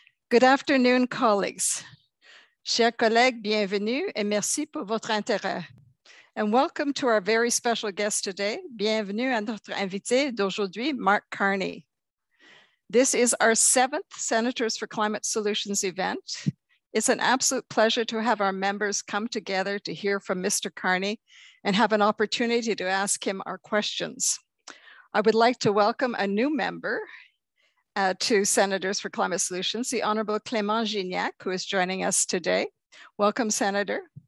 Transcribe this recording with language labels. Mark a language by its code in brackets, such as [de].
[en] Good afternoon, colleagues. [fr] Chers collègues, bienvenue et merci pour votre intérêt. [en] And welcome to our very special guest today. [fr] Bienvenue à notre invité d'aujourd'hui, Mark Carney. [en] This is our 7th Senators for Climate Solutions event. It's an absolute pleasure to have our members come together to hear from Mr. Carney and have an opportunity to ask him our questions. I would like to welcome a new member to Senators for Climate Solutions, the Honorable Clément Gignac, who is joining us today. Welcome, Senator.